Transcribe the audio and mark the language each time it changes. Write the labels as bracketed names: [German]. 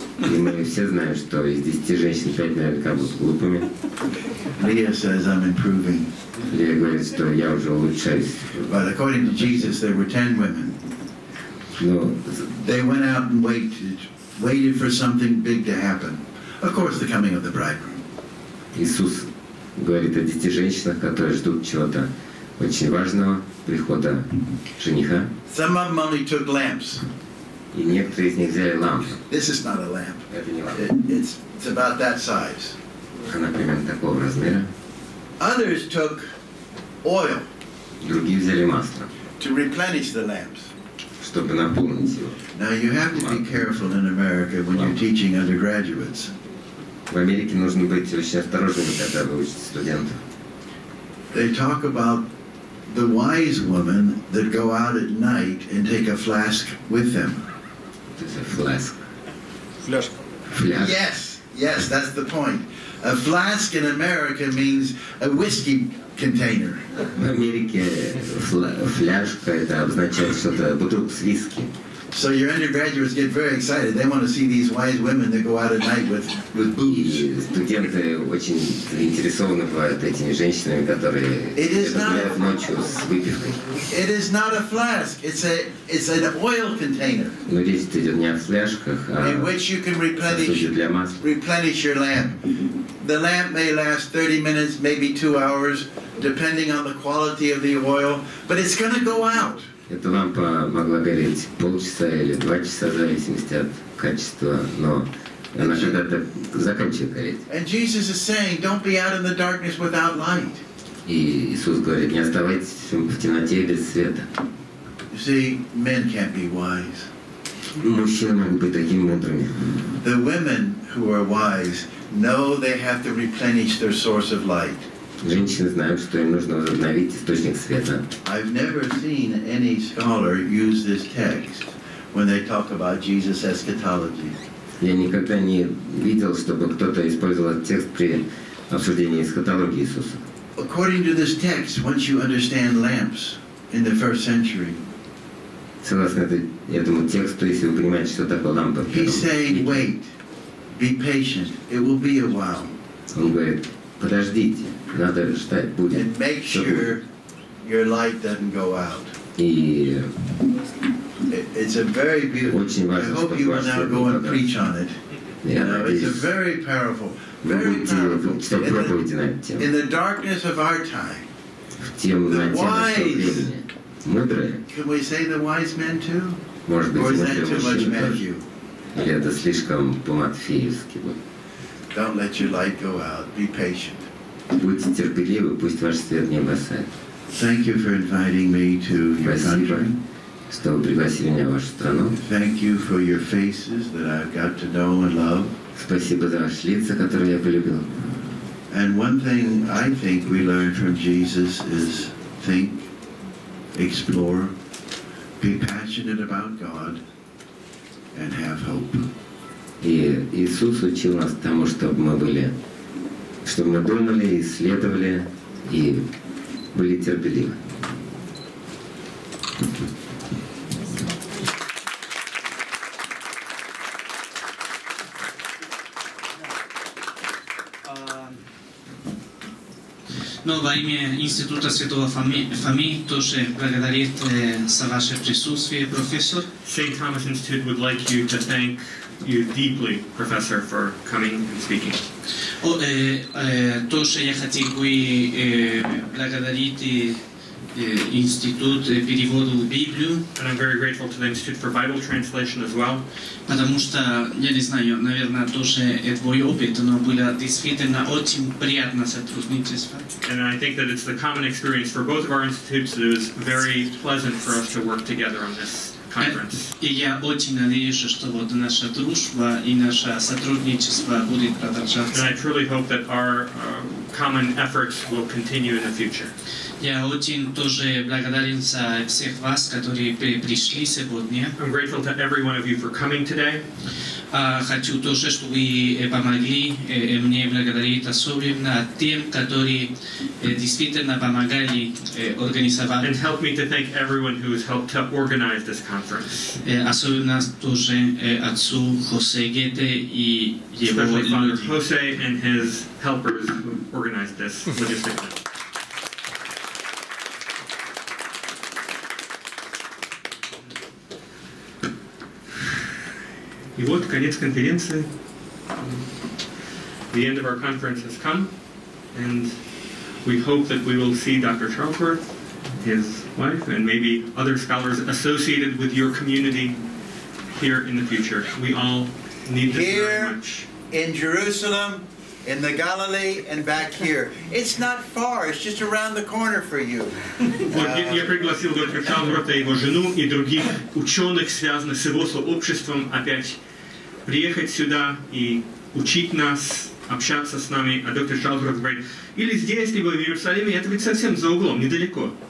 [English] Leah says, I'm improving. But according to Jesus, there were 10 women. They went out and waited for something big to happen. Of course, the coming of the bridegroom. [Russian] Иисус говорит о 10 женщинах, которые ждут чего-то очень важного, прихода жениха. [English] Some of them only took lamps. [Russian] И некоторые из них взяли лампы. [English] This is not a lamp. [Russian] Это не лампа. [English] It's about that size. [Russian] Она примерно такого размера. [English] Others took oil. [Russian] Другие взяли масло. [English] To replenish the lamps. [Russian] Чтобы наполнить его. [English] Now you have to be careful in America when you're teaching undergraduates. [Russian] В Америке нужно быть очень осторожным, когда вы учите студентов. [English] They talk about the wise women that go out at night and take a flask with them. It's a flask. Flask. Yes, that's the point. A flask in America means a whiskey container. [Russian] В Америке фляжка это означает что-то бутылку с виски. [English] So your undergraduates get very excited. They want to see these wise women that go out at night with booze. [Russian] Студенты очень заинтересованы бывают этими женщинами, которые идут ночью с выпивкой. [English] It is not a flask. It's an oil container. [Russian] Но речь идет не о фляжках, а [English] in which you can replenish your lamp. The lamp may last 30 minutes, maybe 2 hours, depending on the quality of the oil, but it's going to go out. [Russian] Эта лампа могла гореть полчаса или 2 часа, в зависимости от качества, но она когда-то заканчивает гореть. [English] And Jesus is saying, don't be out in the darkness without light. [Russian] И Иисус говорит, не оставайтесь в темноте без света. [English] You see, men can't be wise. [Russian] Мужчины могут быть такими мудрыми. [English] The women who are wise know they have to replenish their source of light. [Russian] Женщины знают, что им нужно возобновить источник света. [English] I've never seen any scholar use this text when they talk about Jesus' eschatology. [Russian] Я никогда не видел, чтобы кто-то использовал этот текст при обсуждении эсхатологии Иисуса. [English] According to this text, once you understand lamps, in the first century. [Russian] Согласно этому тексту, если вы понимаете, что такое лампа. [English] He said, "Wait, be patient. It will be a while." [Russian] Он говорит, подождите, надо ждать, будет. [English] And make sure your light doesn't go out. [Russian] И [English] it's a very beautiful. [Russian] Очень важно, [English] I hope you will now go and preach on it. [Russian] Надеюсь, [English] it's a very powerful, very powerful. [Russian] Что проповеди на эту тему. [English] In the darkness of our time, the wise. Can we say the wise men too? [Russian] Может быть, [English] or is that too much Matthew? [Russian] Или это слишком по-матфеевски? [English] Don't let your light go out. Be patient. [Russian] Будьте терпеливы, пусть ваш свет не угасает. [English] Thank you for inviting me to your country. [Russian] Что вы пригласили меня в вашу страну. [English] Thank you for your faces that I've got to know and love. [Russian] Спасибо за ваши лица, которые я полюбил. [English] And one thing I think we learn from Jesus is think. Explore, be passionate about God, and have hope. [Russian] И Иисус учил нас тому, чтобы мы думали, исследовали и были терпеливы. Но во имя Института Святого Фоми тоже благодарит за ваше присутствие, профессор. [English] St. Thomas Institute would like you to thank you deeply, professor, for coming and speaking. [Russian] Тоже я хотел бы благодарить Институт перевода Библии. [English] And I'm very grateful to the Institute for Bible Translation as well. [Russian] Потому что, я не знаю, наверное, тоже твой опыт, но было действительно очень приятно сотрудничество. [English] And I think that it's the common experience for both of our institutes that it was very pleasant for us to work together on this conference. [Russian] И я очень надеюсь, что вот наша дружба и наше сотрудничество будет продолжаться. [English] And I truly hope that our common efforts will continue in the future. [Russian] Я очень тоже благодарен за всех вас, которые пришли сегодня. [English] I'm grateful to every one of you for coming today. [Russian] Хочу тоже, чтобы вы помогли мне благодарить особенно тем, которые действительно помогали организовать. [English] And help me to thank everyone who has helped to organize this conference. [Russian] Особенно тоже отцу Хосе Гете и его люди. [English] Especially Father Jose and his helpers who organized this logistically. [Russian] И вот конец конференции. [English] The end of our conference has come, and we hope that we will see Dr. Charlesworth, his wife, and maybe other scholars associated with your community here in the future. We all need this here very much. Here in Jerusalem, in the Galilee, and back here. It's not far. It's just around the corner for you. [Russian] Вот я пригласил доктора Чарльза, его жену и других ученых, связанных с его сообществом, опять приехать сюда и учить нас, общаться с нами. А доктор Чарльз говорит, или здесь, либо в Иерусалиме, это ведь совсем за углом, недалеко.